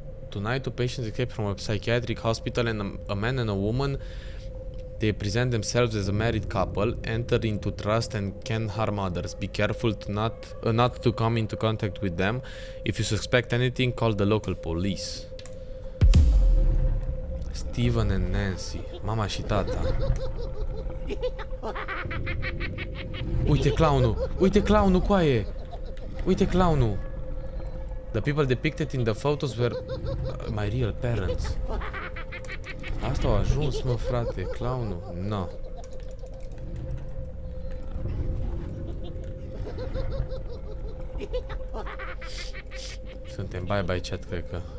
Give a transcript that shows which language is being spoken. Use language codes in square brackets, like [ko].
[en] Tonight two patients escaped from a psychiatric hospital and a man and a woman, they present themselves as a married couple, enter into trust and can harm others. Be careful to not to come into contact with them. If you suspect anything, call the local police. [ro] Steven and Nancy, mama și tata. Uite clownul, uite clownul, coaie. Uite clownul. [en] The people depicted in the photos were my real parents. [ro] Asta a ajuns, mă, frate, clownul. No. Suntem [en] bye-bye chat, [ro] cred că.